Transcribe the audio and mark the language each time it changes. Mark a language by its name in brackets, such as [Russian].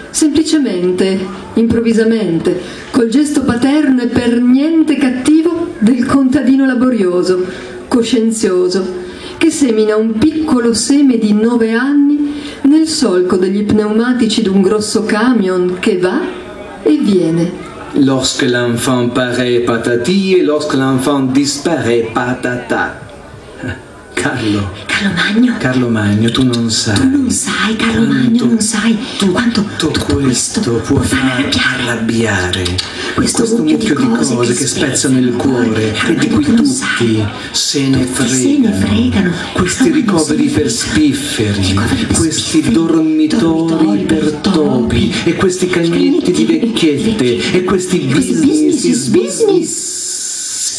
[Italian] Semplicemente, improvvisamente, col gesto paterno e per niente cattivo del contadino laborioso, coscienzioso, che semina un piccolo seme di 9 anni nel solco degli pneumatici d'un grosso camion che va e viene. [French] Lorsque l'enfant paraît patati e lorsque l'enfant disparaît patata. [Italian] Carlo Magno, tu non sai, Carlo Magno, non sai quanto tutto questo può far arrabbiare questo mucchio di cose che spezzano il cuore e di cui tutti se ne fregano. Questi ricoveri per spifferi, questi dormitori per topi e questi cagnetti di vecchiette e questi business.